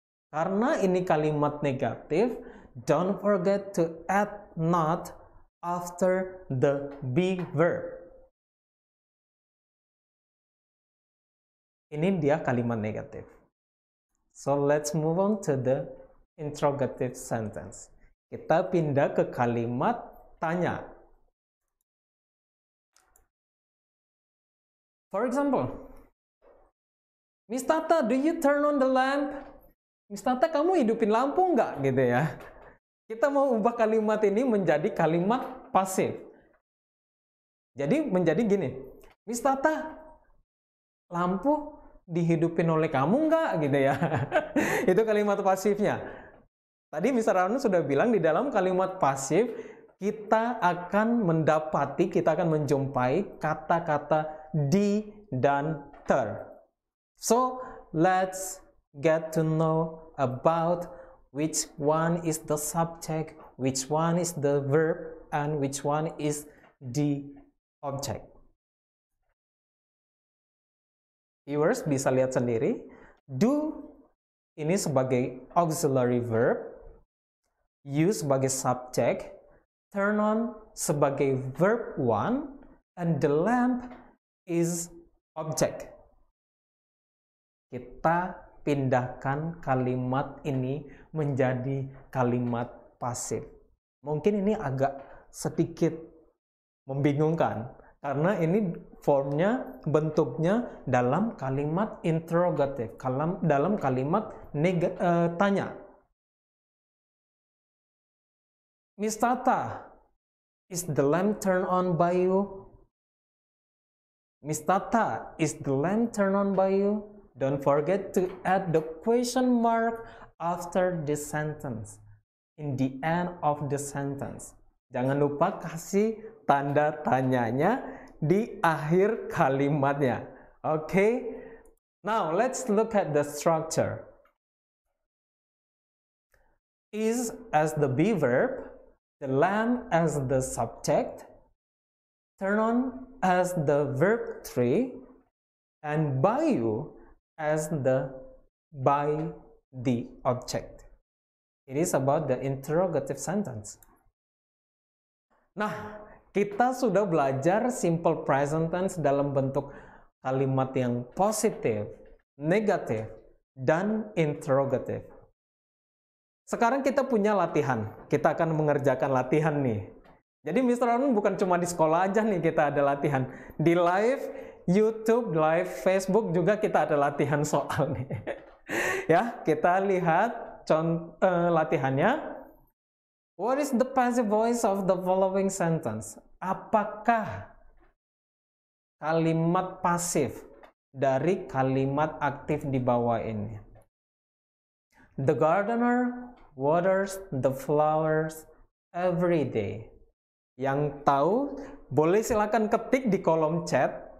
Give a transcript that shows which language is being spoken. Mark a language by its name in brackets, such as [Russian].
[Indonesian] Karena ini kalimat negatif, [English] don't forget to add not after the be verb. [Indonesian] Ini dia kalimat negatif. [English] So let's move on to the interrogative sentence. [Indonesian] Kita pindah ke kalimat tanya. [English] For example, Miss Tata, do you turn on the lamp? [Indonesian] Miss Tata, kamu hidupin lampu nggak? Gitu ya. Kita mau ubah kalimat ini menjadi kalimat pasif. Jadi menjadi gini, Miss Tata, lampu dihidupin oleh kamu nggak? Gitu ya. Itu kalimat pasifnya. Tadi Mr. Arun sudah bilang di dalam kalimat pasif, kita akan mendapati, kita akan menjumpai kata-kata di dan ter. [English] So, let's get to know about which one is the subject, which one is the verb, and which one is the object. Viewers [Indonesian] bisa lihat sendiri, [English] do [Indonesian] ini sebagai [English] auxiliary verb, you sebagai subject, turn on sebagai verb 1, and the lamp is object. [Indonesian] Kita pindahkan kalimat ini menjadi kalimat pasif. Mungkin ini agak sedikit membingungkan, karena ini formnya, bentuknya dalam kalimat interrogatif, dalam kalimat tanya. [English] Miss Tata, is the lamp turned on by you? Miss Tata, is the lamp turned on by you? Don't forget to add the question mark after the sentence. in the end of the sentence. [Indonesian] Jangan lupa kasih tanda tanyanya di akhir kalimatnya. [English] Okay? Now, let's look at the structure. Is as the be verb, the lamb as the subject, turn on as the verb three, and by you as the by the object. It is about the interrogative sentence. [Indonesian] Nah, kita sudah belajar simple present tense dalam bentuk kalimat yang positif, negatif, dan interrogative. Sekarang kita punya latihan. Kita akan mengerjakan latihan nih. Jadi Mr. Arun bukan cuma di sekolah aja nih kita ada latihan. Di live, YouTube, live, Facebook juga kita ada latihan soal nih. Ya, kita lihat latihannya. [English] What is the passive voice of the following sentence? [Indonesian] Apakah kalimat pasif dari kalimat aktif di bawah ini? [English] The gardener waters the flowers every day. [Indonesian] Yang tahu, boleh silakan ketik di kolom chat.